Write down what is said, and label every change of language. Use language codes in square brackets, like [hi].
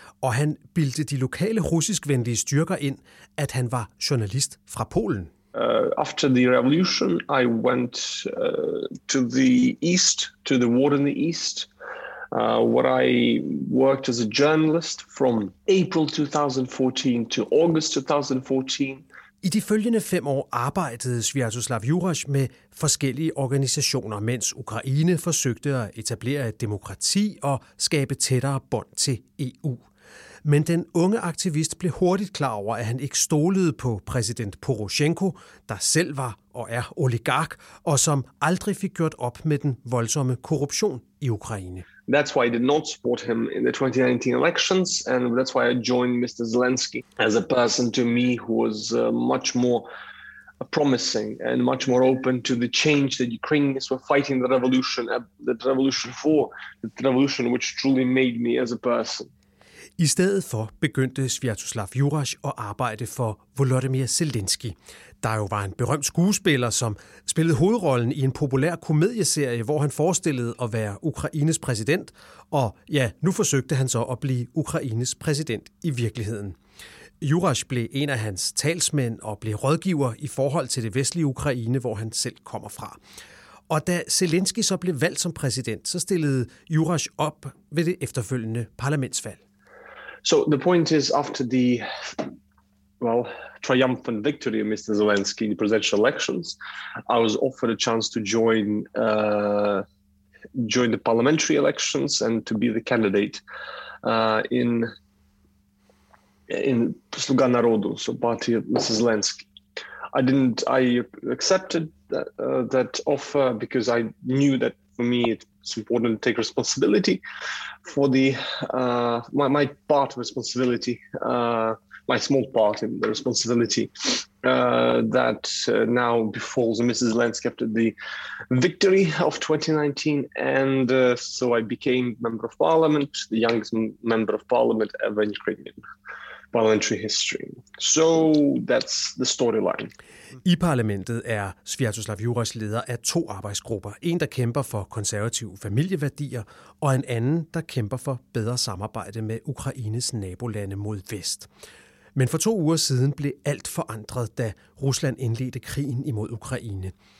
[da] Og han bildte de lokale russiskvenlige styrker ind, at han var journalist fra Polen. [en] After the revolution, I went to the east, to the war in the east, where I worked as a journalist from April 2014 to August 2014. [da] I de følgende 5 år arbejdede Sviatoslav Juraj med forskellige organisationer, mens Ukraine forsøgte at etablere et demokrati og skabe tættere bånd til EU. Men den unge aktivist blev hurtigt klar over, at han ikke stolede på præsident Poroshenko, der selv var og er oligark, og som aldrig fik gjort op med den voldsomme korruption i Ukraine. [en] That's why I did not support him in the 2019 elections, and that's why I joined Mr. Zelensky as a person to me who was much more promising and much more open to the change that Ukrainians were fighting the revolution which truly made me as a person. [da] I stedet for begyndte Sviatoslav Juraj at arbejde for Volodymyr Zelensky, der jo var en berømt skuespiller, som spillede hovedrollen i en populær komedieserie, hvor han forestillede at være Ukraines præsident, og ja, nu forsøgte han så at blive Ukraines præsident i virkeligheden. Juraj blev en af hans talsmænd og blev rådgiver i forhold til det vestlige Ukraine, hvor han selv kommer fra. Og da Zelensky så blev valgt som præsident, så stillede Juraj op ved det efterfølgende parlamentsvalg. [en] So the point is, after the, well, triumphant victory of Mr. Zelensky in the presidential elections, I was offered a chance to join the parliamentary elections and to be the candidate in Sluga Narodu, so party of Mr. Zelensky. I accepted that offer because I knew that for me it's important to take responsibility for the my part of responsibility, my small part in the responsibility that now befalls Mrs. Landskept at the victory of 2019. And so I became Member of Parliament, the youngest Member of Parliament ever in Ukrainian parliamentary history. So that's the storyline. [da] I parlamentet er Sviatoslav Jurajs leder af to arbejdsgrupper. En, der kæmper for konservative familieværdier, og en anden, der kæmper for bedre samarbejde med Ukraines nabolande mod vest. Men for to uger siden blev alt forandret, da Rusland indledte krigen imod Ukraine.